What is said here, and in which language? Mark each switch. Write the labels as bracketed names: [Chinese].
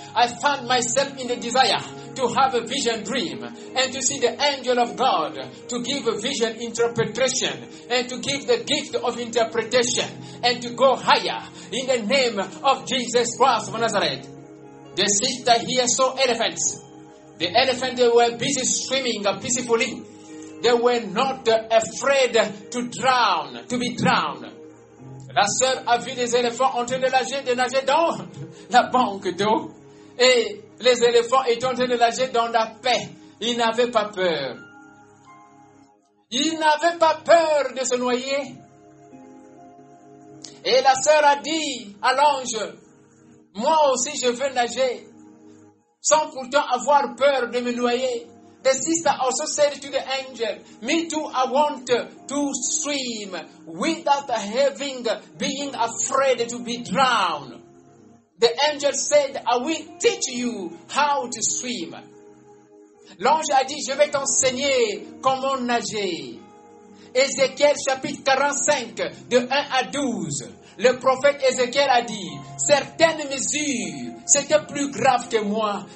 [English] I found myself in the desire to have a vision dream and to see the angel of God to give a vision interpretation and to give the gift of interpretation and to go higher in the name of Jesus Christ of Nazareth. The sister here saw elephants. The elephants, they were busy swimming peacefully. They were not afraid to drown, to be drowned. [French] La sœur a vu les éléphants en train de nager dans la banque d'eau. Et les éléphants étaient en train de nager dans la paix. Ils n'avaient pas peur. Ils n'avaient pas peur de se noyer. Et la sœur a dit à l'ange, « Moi aussi je veux nager, sans pourtant avoir peur de me noyer. [English] » The sister also said to the angel, me too, I want to swim without having being afraid to be drowned. The angel said, I will teach you how to swim. [French] L'ange a dit, je vais t'enseigner comment nager. Ézéchiel chapitre 45, de 1 à 12. Le prophète Ézéchiel a dit, certaines mesures, c'était plus grave que moi.